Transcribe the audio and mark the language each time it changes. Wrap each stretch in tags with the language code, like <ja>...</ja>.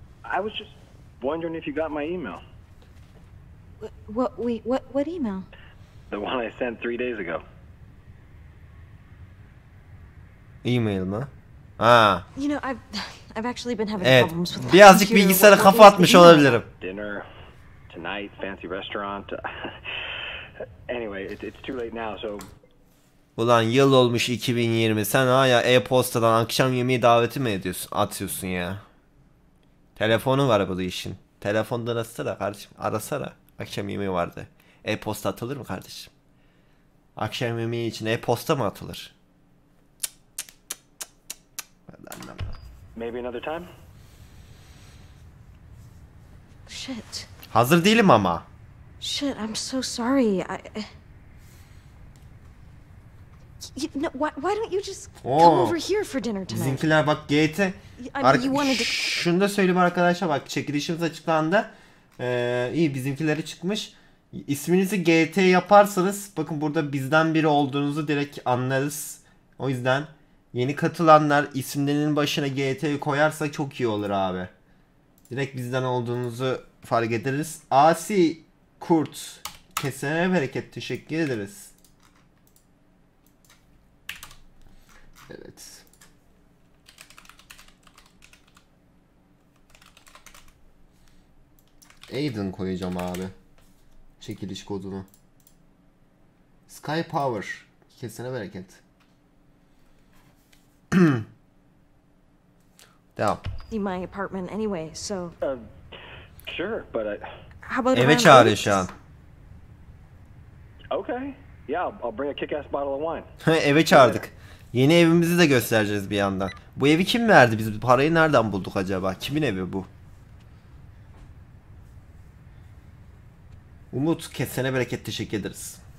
<en>I was just wondering if you got my email. What email? The one I sent 3 days ago.</en> <tr>E-mail mı? Ha.</tr> <en>You know, I've actually been having problems with my computer.</en> <tr>Birazcık bilgisayara kafa atmış olabilirim.</tr> <en>Dinner tonight, fancy restaurant. Anyway, it's too late now, so.</en> <tr>Ulan yıl olmuş 2020. Sen hala e-postadan akşam yemeği daveti mi ediyorsun? Atıyorsun ya. Telefonu var bu işin. Telefonda arası da kardeşim. Arasana. Akşam yemeği vardı. E-posta atılır mı kardeşim? Akşam yemeği için e-posta mı atılır?</tr> <en>Maybe another time. Shit.</en> <tr>Hazır değilim ama.</tr> <en>Shit, I'm so sorry. No, why don't you just come over here for dinner tonight?</en> <tr>Bizimkiler bak GT. Şunu da söyleyeyim arkadaşlar, bak çekilişimiz açıklandı. İyi bizimkileri çıkmış. İsminizi GT yaparsanız bakın burada bizden biri olduğunuzu direkt anlarız. O yüzden yeni katılanlar isimlerinin başına GT'yi koyarsa çok iyi olur abi. Direkt bizden olduğunuzu fark ederiz. Asi Kurt. Kesene bereket, teşekkür ederiz. Evet. Aiden koyacağım abi. Çekiliş kodunu. Sky Power. Kesene bereket. Devam.</tr> <en>In my apartment anyway, so. Sure, but I. How about</en> <tr>eve çağırıyor şu an.</tr> <en>Okay. Yeah, I'll bring a kick-ass bottle of wine.</en> <tr>Eve çağırdık. Yeni evimizi de göstereceğiz bir yandan. Bu evi kim verdi? Biz parayı nereden bulduk acaba? Kimin evi bu? Umut, kesene bereket, teşekkür ederiz.</tr>